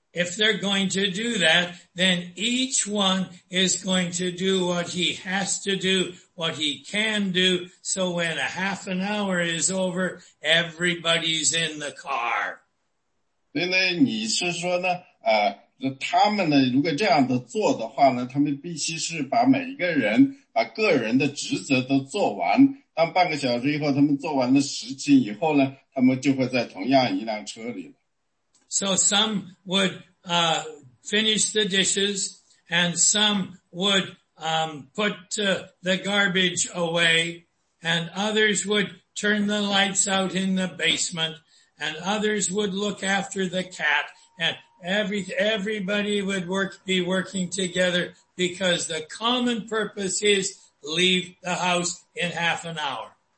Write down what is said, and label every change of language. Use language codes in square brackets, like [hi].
[en] If they're going to do that, then each one is going to do what he has to do, what he can do. So when a half an hour is over, everybody's in the car. [zh] 那你是说呢，他们必须是把每个人把个人的职责都做完，当半个小时以后他们做完的事情以后呢，他们就会再同样一辆车里了。 [en] So some would finish the dishes, and some would put the garbage away, and others would turn the lights out in the basement, and others would look after the cat, and everybody would be working together, because the common purpose is leave the house in half an hour.